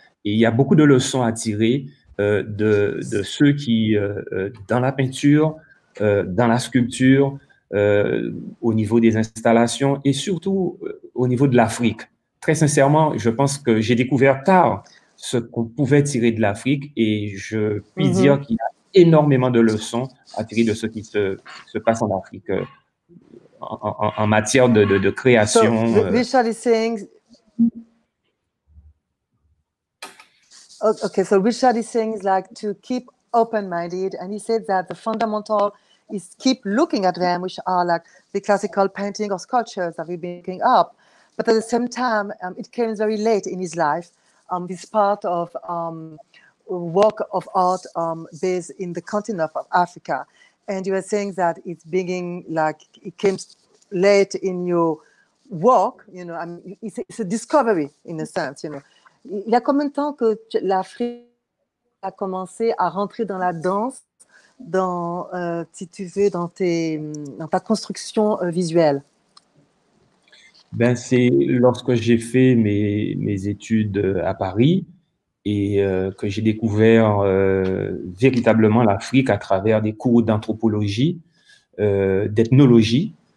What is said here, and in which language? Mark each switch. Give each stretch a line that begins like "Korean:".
French: Et il y a beaucoup de leçons à tirer de ceux qui, dans la peinture, dans la sculpture, au niveau des installations et surtout au niveau de l'Afrique. Très sincèrement, je pense que j'ai découvert tard ce qu'on pouvait tirer de l'Afrique et je puis dire qu'il y a énormément de leçons à tirer de ce qui se passe en Afrique en matière de création.
English: Richard is saying like to keep open-minded and he said that the fundamental is keep looking at them, which are like the classical painting or sculptures that we've been picking up. But at the same time, it came very late in his life. This part of work of art based in the continent of Africa. And you were saying that it's being like, it came late in your work, you know, I mean, it's a discovery in a sense, you know.
French: Il y a combien de temps que l'Afrique a commencé à rentrer dans la danse, dans, si tu veux, dans, dans ta construction visuelle? Ben, c'est lorsque j'ai fait mes études à Paris et que j'ai découvert véritablement l'Afrique à travers des cours d'anthropologie, d'ethnologie,